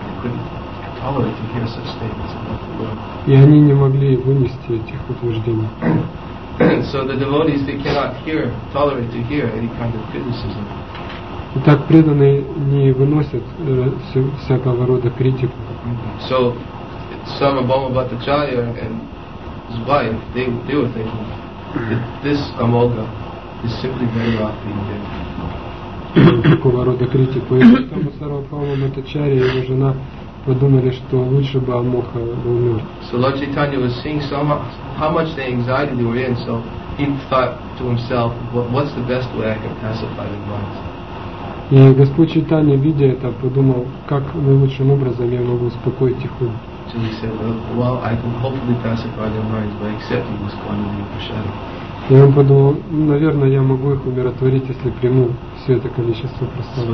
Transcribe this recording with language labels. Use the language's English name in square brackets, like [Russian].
[English] They couldn't tolerate to hear such statements about the Lord. [Russian] И они не могли вынести этих утверждений. [English] So the devotees, they cannot hear, tolerate to hear any kind of criticism. [Russian] Итак, преданные не выносят всякого рода критику. [English] So some Amoga Bhattacharya and his wife, they were thinking that this Amoga is simply very rough being there. [Russian] Такого рода критику. И поэтому Сарвабхаума Бхаттачарья и его жена подумали, что лучше бы Амоха умер. [English] So Lord Chaitanya was seeing how much the anxiety they were in, so he thought to himself, what's the best way I can pacify the minds? [Russian] И Господь Чайтанья, видя это, подумал, как наилучшим образом я могу успокоить их ум. [English] So he said, well, I can hopefully pacify their minds by accepting this quantity of prasadam. [Russian] И он подумал, наверное, я могу их умиротворить, если приму все это количество прасадам.